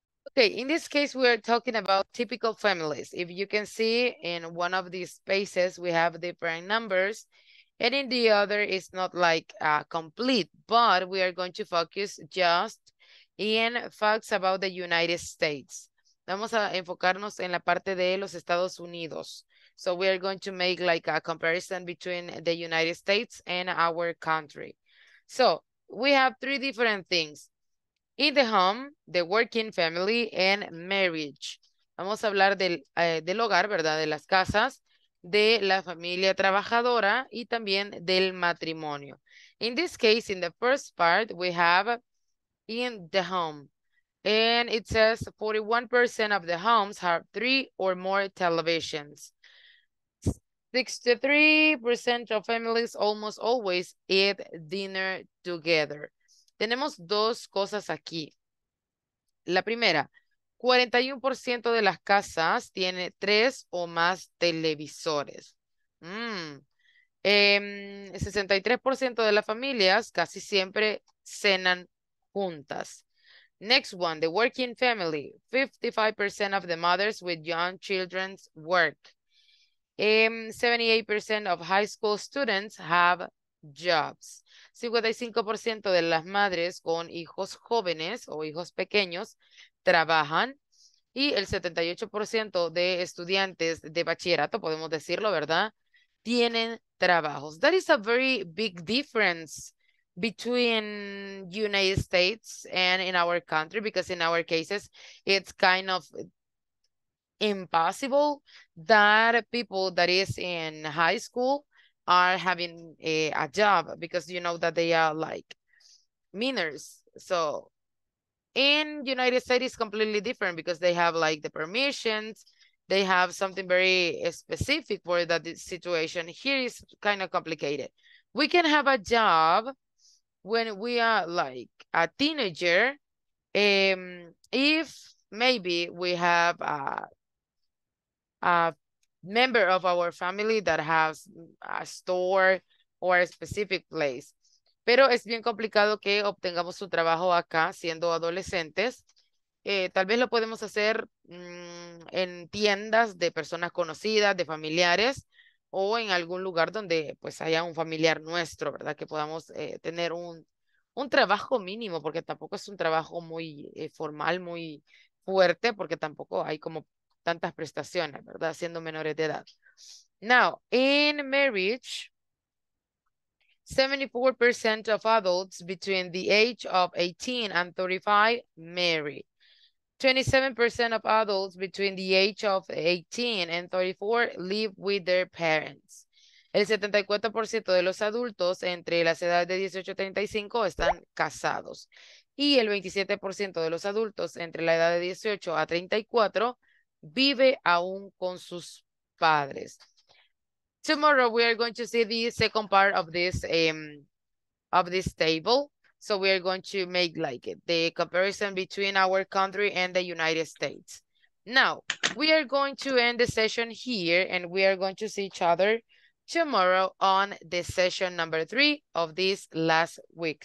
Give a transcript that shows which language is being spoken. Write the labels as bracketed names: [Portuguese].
[English] Okay, in this case, we are talking about typical families. If you can see in one of these spaces, we have different numbers. And in the other, it's not like complete, but we are going to focus just in facts about the United States. [Spanish] Vamos a enfocarnos en la parte de los Estados Unidos. [English] So we are going to make like a comparison between the United States and our country. So we have three different things. In the home, the working family, and marriage. [Spanish] Vamos a hablar del hogar, ¿verdad? De las casas, de la familia trabajadora, y también del matrimonio. [English] In this case, in the first part, we have in the home. And it says 41% of the homes have three or more televisions. 63% of families almost always eat dinner together. [Spanish] Tenemos dos cosas aquí. La primera, 41% de las casas tiene tres o más televisores. 63% de las familias casi siempre cenan juntas. [English] Next one, the working family. 55% of the mothers with young children work. 78% of high school students have jobs. [Spanish] 55% de las madres con hijos jóvenes o hijos pequeños trabajan. Y el 78% de estudiantes de bachillerato, podemos decirlo, ¿verdad? Tienen trabajos. [English] That is a very big difference between United States and in our country, because in our cases, it's kind of impossible that people that is in high school are having a job, because you know that they are like minors. So in United States, it's completely different because they have like the permissions. They have something very specific for that situation. Here is kind of complicated. We can have a job when we are like a teenager, if maybe we have a member of our family that has a store or a specific place. [Spanish] Pero es bien complicado que obtengamos un trabajo acá siendo adolescentes. Tal vez lo podemos hacer en tiendas de personas conocidas, de familiares, o en algún lugar donde pues haya un familiar nuestro, ¿verdad? Que podamos tener un trabajo mínimo, porque tampoco es un trabajo muy formal, muy fuerte, porque tampoco hay como tantas prestaciones, ¿verdad? Siendo menores de edad. [English] Now, in marriage, 74% of adults between the age of 18 and 35 marry. 27% of adults between the age of 18 and 34 live with their parents. [Spanish] El 74% de los adultos entre las edades de 18 y 35 están casados. Y el 27% de los adultos entre la edad de 18 a 34 vive aún con sus padres. [English] Tomorrow we are going to see the second part of this table. So we are going to make like the comparison between our country and the United States. Now, we are going to end the session here and we are going to see each other tomorrow on the session number 3 of this last week.